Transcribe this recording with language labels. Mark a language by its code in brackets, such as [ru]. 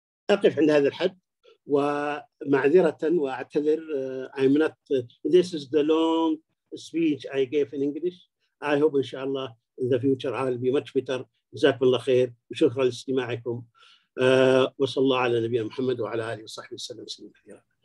[ar] أقف عند هذا الحد ومعذرة وأعتذر. [en] I'm not. This is the long speech I gave in English. I hope, inshallah, in the future I'll be much better. [ar] جزاكم الله خير وشكرا لاستماعكم وصلى الله على نبينا محمد وعلى آله وصحبه وسلم وسلم كثيرا.